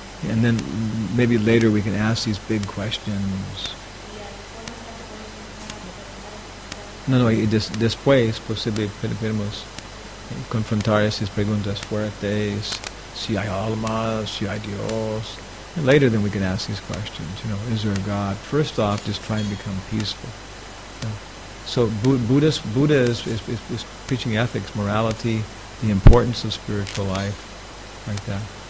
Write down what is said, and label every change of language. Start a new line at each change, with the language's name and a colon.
English: And then maybe later we can ask these big questions.
Spanish: No, después posible podemos confrontar esas preguntas fuertes. Si hay alma, si hay Dios.
English: And later then we can ask these questions, you know, is there a God? First off, just try and become peaceful. So Buddha is preaching ethics, morality, the importance of spiritual life, like that.